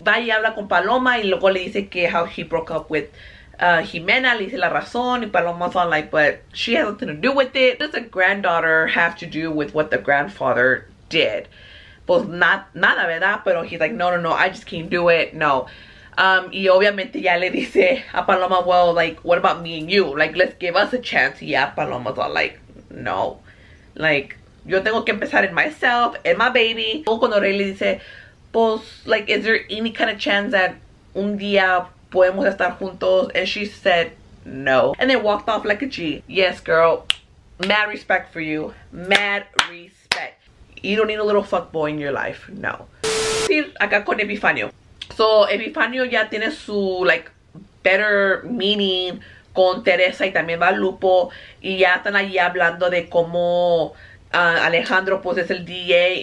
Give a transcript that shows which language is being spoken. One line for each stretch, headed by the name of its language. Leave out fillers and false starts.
Spanish: Va y habla con Paloma y luego le dice que
English: how he broke up with Jimena,
Spanish: le dice la razón,
English: y Paloma's on like, but she has nothing to do with it. What does a granddaughter have to do with what the grandfather did?
Spanish: pues nada, ¿verdad? Pero
English: he's like, no, I just can't do it, no.
Spanish: Y obviamente ya le dice a
English: Paloma, well, like, what about me and you? Like, let's give us a chance. Y ya Paloma's all like, no.
Spanish: Like, yo tengo que empezar en
English: myself,
Spanish: en
English: my baby.
Spanish: Luego cuando Rey le dice, pues, like,
English: is there any kind of chance that
Spanish: un día podemos estar juntos?
English: And she said, no. And they walked off like a G. Yes, girl. Mad respect for you. Mad respect. You don't need a little fuckboy in your life.
Spanish: No. Sí, acá con Epifanio. So, Epifanio ya tiene su, like,
English: better meaning
Spanish: con Teresa y también va Lupo. Y ya están allí hablando de cómo Alejandro, pues, es el DA.